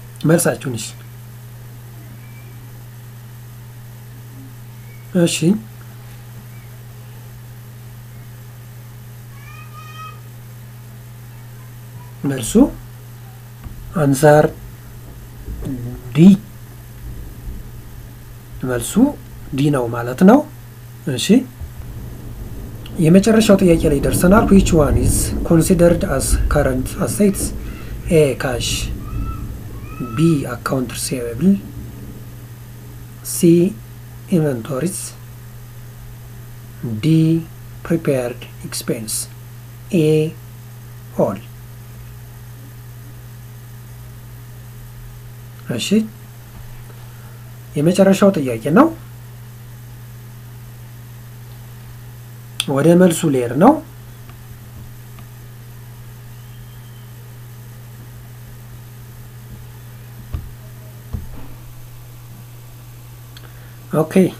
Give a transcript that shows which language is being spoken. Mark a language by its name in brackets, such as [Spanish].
[Amharic] መልሳችሁ እሺ እሺ መልሱ answer d. መልሱ d ነው ማለት ነው። እሺ የመጨረሻው ጥያቄ ላይ ደርሰናል። [English] which one is considered as current assets? a cash, b account receivable, c inventories, d prepared expense, a all. [Amharic] እሺ የመጨረሻው ጥያቄ ነው ወደ መልሱ ሌር ነው። ኦኬ